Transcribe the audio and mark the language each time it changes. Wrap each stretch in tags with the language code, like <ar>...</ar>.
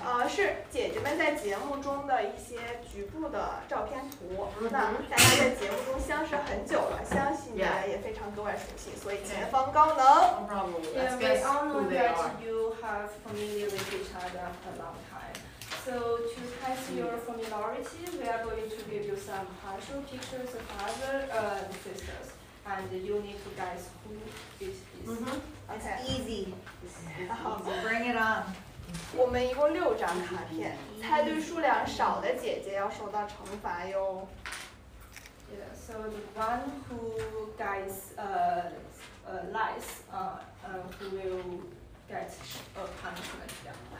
<zh>是姐姐们在节目中的一些局部的照片图。那大家在节目中相识很久了，相信你们也非常格外熟悉，所以前方高能。</zh> <en>No problem. Let's guess who they are. Yeah, we all know that you have familiar with each other for a long time. So to test your familiarity, we are going to give you some partial pictures of other sisters, and you need to guess who it is. It's easy. Bring it on.</en> <zh>我们一共六张卡片，猜对数量少的姐姐要受到惩罚哟。</zh> <en>Yeah, so the one who gets lies, who will get a punishment.</en>